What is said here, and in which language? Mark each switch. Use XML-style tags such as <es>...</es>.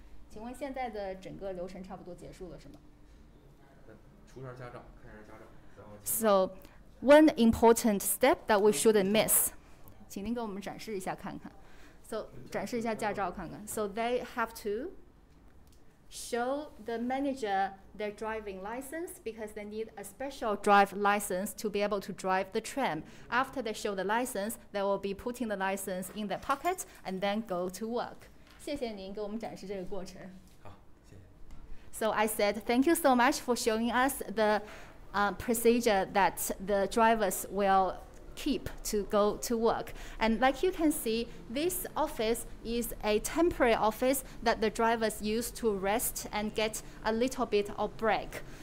<zh>请问现在的整个流程差不多结束了是吗？出示驾照，看一下驾照，然后。</zh> <en>So, one important step that we shouldn't miss.</en> <zh>请您给我们展示一下看看。So, 展示一下驾照看看。</zh> <en>So they have to show the manager their driving license because they need a special drive license to be able to drive the tram. After they show the license, they will be putting the license in their pocket and then go to work.</en> <zh>谢谢您给我们展示这个过程。好，谢谢。</zh> <en>So I said thank you so much for showing us the procedure that the drivers will keep to go to work. And like you can see, this office is a temporary office that the drivers use to rest and get a little bit of break.</en>